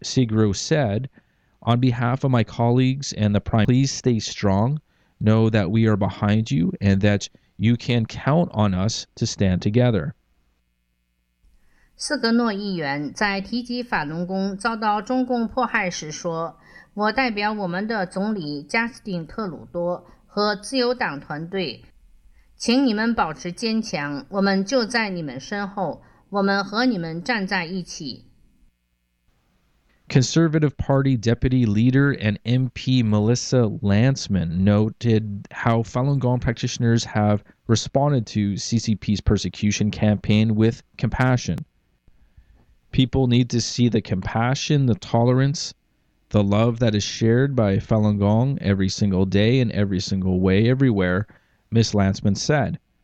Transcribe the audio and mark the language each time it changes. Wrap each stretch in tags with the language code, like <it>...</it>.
<en>Sigro said, on behalf of my colleagues and the Prime, please stay strong. Know that we are behind you and that you can count on us to stand together.</en> <zh>斯格诺议员在提及法轮功遭到中共迫害时说，我代表我们的总理加斯汀·特鲁多和自由党团队，请你们保持坚强，我们就在你们身后，我们和你们站在一起。</zh> <en>Conservative Party Deputy Leader and MP Melissa Lantzman noted how Falun Gong practitioners have responded to CCP's persecution campaign with compassion. People need to see the compassion, the tolerance, the love that is shared by Falun Gong every single day in every single way everywhere, Ms. Lantzman said.</en>